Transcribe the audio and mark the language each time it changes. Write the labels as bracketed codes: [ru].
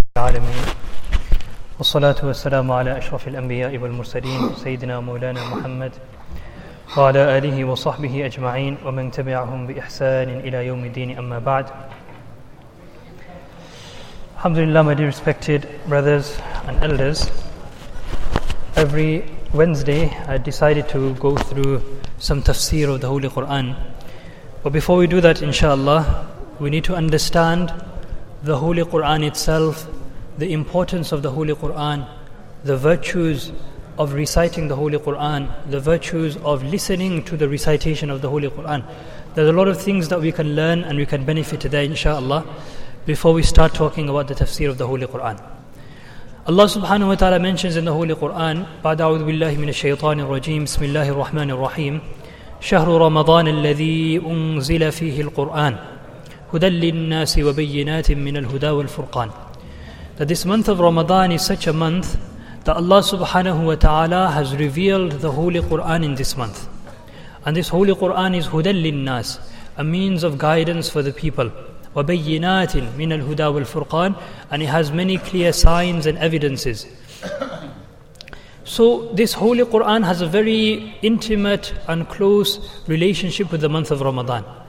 [ar] العالمين والصلاة والسلام على أشرف الأنبياء والمرسلين سيدنا مولانا محمد وعلى آله وصحبه أجمعين ومن تبعهم بإحسان إلى يوم الدين أما بعد. الحمد لله. [en] My dear respected brothers and elders, every Wednesday I decided to go through some tafsir of the Holy Quran. But before we do that, inshallah, we need to understand the Holy Quran itself, the importance of the Holy Quran, the virtues of reciting the Holy Quran, the virtues of listening to the recitation of the Holy Quran. There's a lot of things that we can learn and we can benefit today, inshallah, before we start talking about the tafsir of the Holy Quran. Allah subhanahu wa ta'ala mentions in the Holy Quran, [ar] بعد أعوذ بالله من الشيطان الرجيم بسم الله الرحمن الرحيم شهر رمضان الذي أنزل فيه القرآن هدى للناس وبينات من الهدى والفرقان. [en] That this month of Ramadan is such a month that Allah subhanahu wa ta'ala has revealed the Holy Quran in this month. And this Holy Quran is [ar] hudan linnas, [en] a means of guidance for the people. [ar] وَبَيِّنَاتٍ مِنَ الْهُدَى وَالْفُرْقَانِ. [en] And it has many clear signs and evidences. So this Holy Quran has a very intimate and close relationship with the month of Ramadan.